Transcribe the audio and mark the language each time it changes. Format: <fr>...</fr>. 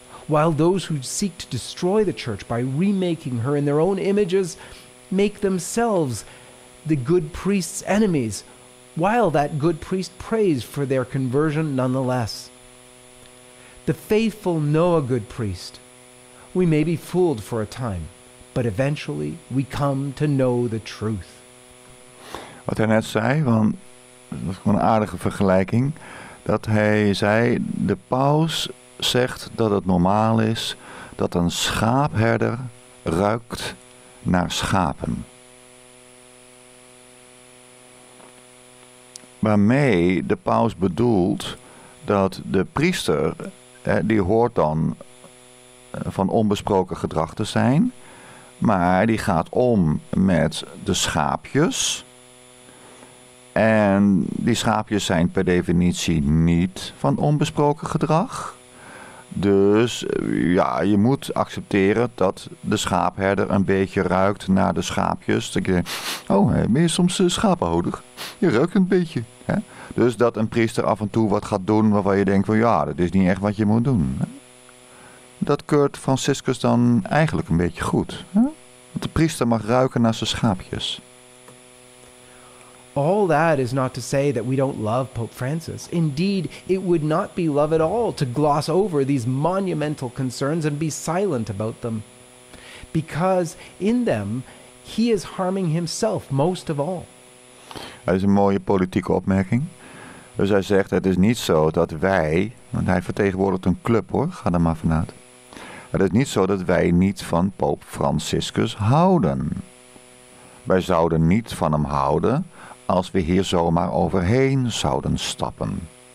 <en>While those who seek to destroy the church by remaking her in their own images make themselves the good priest's enemies, while that good priest prays for their conversion nonetheless. The faithful know a good priest. We may be fooled for a time, but eventually we come to know the truth.</en> <nl>Wat hij net zei, want dat was gewoon een aardige vergelijking, dat hij zei, de paus zegt dat het normaal is dat een schaapherder ruikt naar schapen. Waarmee de paus bedoelt dat de priester, die hoort dan van onbesproken gedrag te zijn, maar die gaat om met de schaapjes. En die schaapjes zijn per definitie niet van onbesproken gedrag. Dus ja, je moet accepteren dat de schaapherder een beetje ruikt naar de schaapjes. Oh, ben je soms schapenhoudig? Je ruikt een beetje. Hè? Dus dat een priester af en toe wat gaat doen waarvan je denkt van ja, dat is niet echt wat je moet doen. Hè? Dat keurt Franciscus dan eigenlijk een beetje goed. Hè? Want de priester mag ruiken naar zijn schaapjes.</nl> <en>All that is not to say that we don't love Pope Francis. Indeed, it would not be love at all to gloss over these monumental concerns and be silent about them. Because in them, he is harming himself most of all.</en> <nl>Dat is een mooie politieke opmerking. Dus hij zegt, het is niet zo dat wij, want hij vertegenwoordigt een club hoor, ga er maar vanuit. Het is niet zo dat wij niet van Pope Franciscus houden. Wij zouden niet van hem houden als we hier zomaar overheen zouden stappen.</nl>